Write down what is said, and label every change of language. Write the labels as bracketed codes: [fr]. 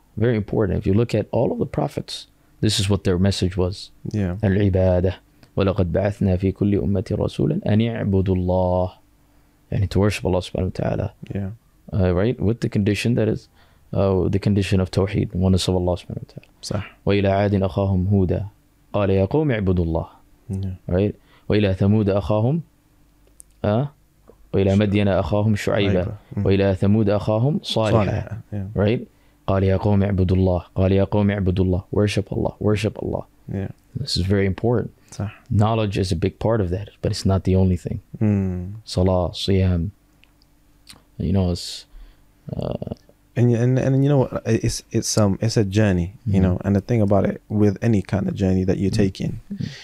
[en] Very important. If you look at all of the prophets, this is what their message was. Yeah. [ar] Al-ibadah. وَلَقَدْ بَعَثْنَا فِي كُلِّ أُمَّةِ رَسُولًا أَنِ اعْبُدُوا اللَّهِ. [en] And to worship Allah subhanahu wa ta'ala. Yeah. Right? With the condition that is the condition of tawheed, oneness of Allah subhanahu wa ta'ala. [ar] صح. وَإِلَى عَادٍ أَخَاهُمْ هُودًا قَالَ يَا قَوْمِ اعْبُدُوا اللَّهَ. [en] Right? [ar] وَإِلَى ثَمُودَ أَخَاهُمْ وإلى مدين أخاهم شعيبة وإلى ثمود أخاهم صالحة. [en] Yeah. Right? [ar] قال يا قوم اعبدوا الله قال يا قوم اعبدوا الله. [en] Worship Allah. Worship Allah. Yeah. This is very important. [ar] صح. [en] Knowledge is a big part of that, but it's not the only thing. Salah, Siyam. You know, it's and you know what? It's a journey. Mm-hmm. You know, and the thing about it with any kind of journey that you're taking, mm-hmm.